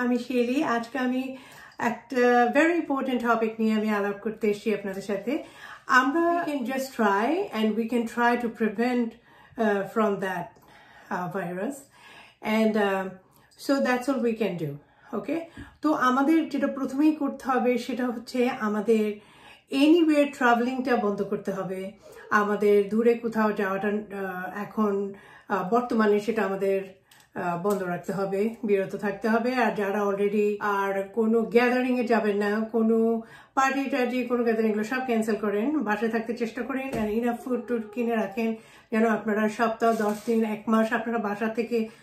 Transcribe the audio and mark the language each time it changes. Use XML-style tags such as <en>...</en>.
<bn>আমি শেলি আজকে আমি একটা ভেরি ইম্পর্টেন্ট টপিক নিয়ে আমি আলাপ করতে এসেছি আপনাদের সাথে আমরা</bn> <en>we can just try and we can try to prevent from that virus and so that's all we can do okay</en> <bn>তো আমাদের যেটা প্রথমেই করতে হবে সেটা হচ্ছে আমাদের এনিওয়ে ট্রাভেলিংটা বন্ধ করতে হবে আমাদের দূরে কোথাও যাওয়াটা এখন বর্তমানে সেটা আমাদের বন্ধ রাখতে হবে বিরত থাকতে হবে আর যারা অলরেডি আর কোনো গ্যাদারিং এ যাবেন না কোনো পার্টি টাটি কোনো গ্যাদারিং গুলো সব ক্যান্সেল করেন বাসায় থাকতে চেষ্টা করেন এন্ড ইনাফ ফুড টু কিনে রাখেন যেন আপনারা সপ্তাহ 10 দিন 1 মাস আপনারা বাসা থেকে</bn>